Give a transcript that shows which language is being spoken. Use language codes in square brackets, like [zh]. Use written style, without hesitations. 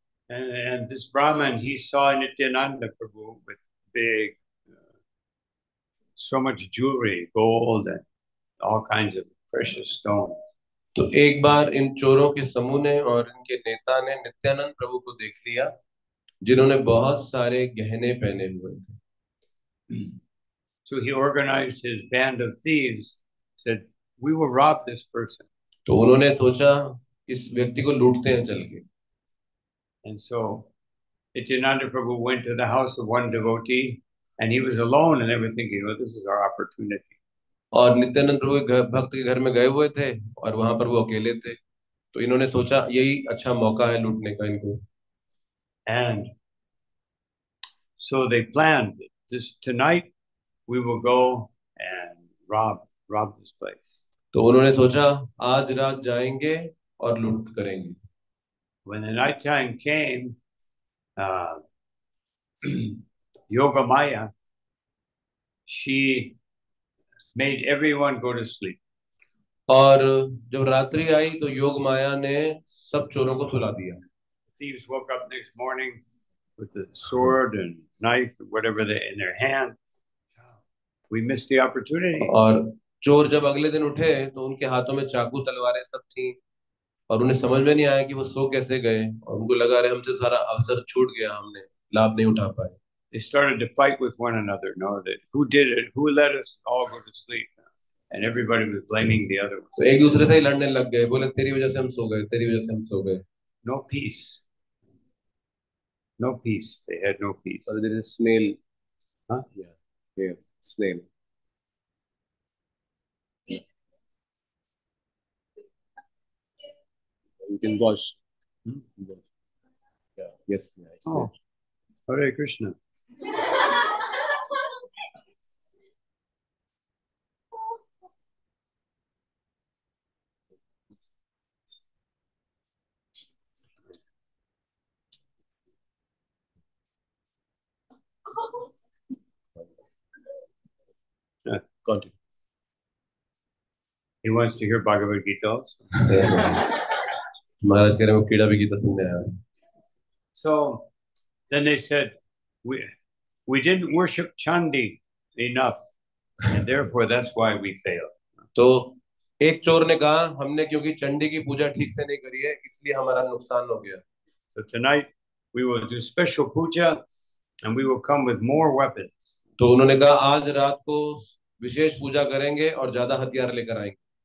[en] And this Brahmin, he saw Nityananda Prabhu with big, so much jewelry, gold and all kinds of precious stones. [hi] तो एक बार इन चोरों के समूह ने और इनके नेता ने नित्यानंद प्रभु को देख लिया जिन्होंने बहुत सारे गहने पहने हुए थे. [en] So he organized his band of thieves, said, we will rob this person. [hi] तो उन्होंने सोचा इस व्यक्ति को लूटते हैं चल के. [en] And so Nityananda Prabhu went to the house of one devotee and he was alone and they were thinking, well, this is our opportunity. [hi] और नित्यानंद प्रभु भक्त के घर में गए हुए थे और वहां पर वो अकेले थे तो इन्होंने सोचा यही अच्छा मौका है लूटने का इनको. [en] And so they planned this tonight we will go and rob this place. [hi] तो उन्होंने सोचा आज रात जाएंगे और लूट करेंगे. [en] When the night time came, Yoga Maya, she made everyone go to sleep. [hi] और जब रात्रि आई तो योग माया ने सब चोरों को सुला दिया. [en] Thieves woke up next morning with the sword and knife and whatever they in their hand. We missed the opportunity. [hi] और चोर जब अगले दिन उठे तो उनके हाथों में चाकू तलवारें सब थी और उन्हें समझ में नहीं आया कि वो सो कैसे गए और उनको लगा रहे हमसे सारा अवसर छूट गया हमने लाभ नहीं उठा पाए. [en] They started to fight with one another. No, who did it? Who let us all go to sleep? And everybody was blaming the other one. [hi] तो एक दूसरे से ही लड़ने लग गए. बोले तेरी वजह से हम सो गए, तेरी वजह से हम सो गए. [en] No peace. No peace. They had no peace. But there is a snail. Huh? Yeah. Yeah. Snail. You can wash. Hmm? Yeah. Yes. Yeah, oh. Hare Krishna. Continue. He wants to hear Bhagavad Gita also. [hi] महाराज कह रहे हैं वो कीड़ा भी गीता सुनने आया. [en] So then they said we didn't worship Chandi enough and therefore that's why we failed. [hi] तो एक चोर ने कहा हमने क्योंकि चंडी की पूजा ठीक से नहीं करी है इसलिए हमारा नुकसान हो गया. [en] So tonight we will do special puja and we will come with more weapons. [hi] तो उन्होंने कहा आज रात को विशेष पूजा करेंगे और ज्यादा हथियार लेकर आएंगे.